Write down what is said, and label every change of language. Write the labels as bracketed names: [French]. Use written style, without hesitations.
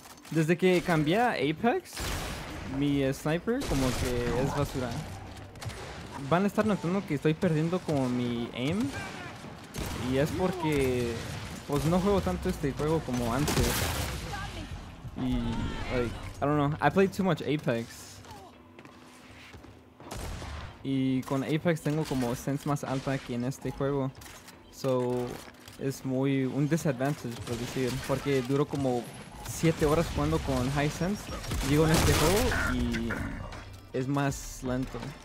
[Spanish] Desde que cambié Apex, mi sniper como que es basura. Van a estar notando que estoy perdiendo como mi aim. Y es porque pues no juego tanto este juego como antes. [English] Y like, I don't know, I played too much Apex. [Spanish] Y con Apex tengo como sense más alta que en este juego. So, es muy un disadvantage, por decir. Porque duro como 7 horas jugando con [English] high sense. [Spanish] Llego en este juego y es más lento.